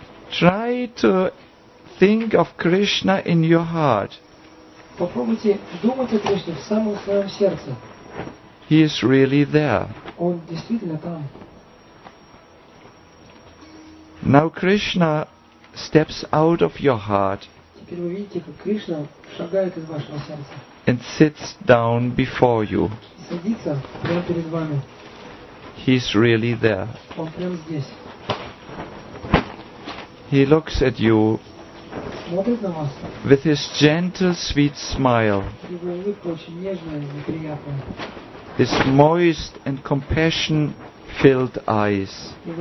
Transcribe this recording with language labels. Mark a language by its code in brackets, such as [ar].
[en] Try to think of Krishna in your heart. [ru] Попробуйте думать о Кришне в самом своем сердце. [en] He is really there. [ru] Он действительно там. [en] Now Krishna steps out of your heart. [ru] Теперь вы видите, как Кришна шагает из вашего сердца. [en] And sits down before you. [ru] Садится прямо перед вами. [en] He is really there. [ru] Он прямо здесь. [en] He looks at you. [ru] Смотрит на вас. [en] With his gentle, sweet smile. [ru] Его улыбка очень нежная и приятная. [en] His moist and compassion-filled eyes.